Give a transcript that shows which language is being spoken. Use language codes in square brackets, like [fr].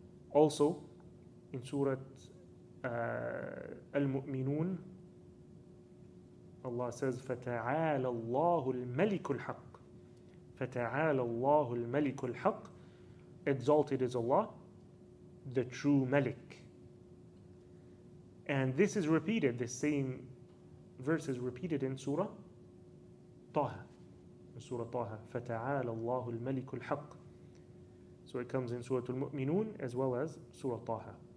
[en] Also, in Surah Al-Mu'minun, Allah says, [ar] فَتَعَالَ اللَّهُ الْمَلِكُ الْحَقِّ. فَتَعَالَ اللَّهُ الْمَلِكُ الْحَقِّ. [en] Exalted is Allah, the true Malik. And this is repeated, this same verse is repeated in Surah Taha. [ar] Surah Taha, فَتَعَالَ اللَّهُ الْمَلِكُ الْحَقِّ. [en] So it comes in Surah Al-Mu'minun as well as Surah Taha.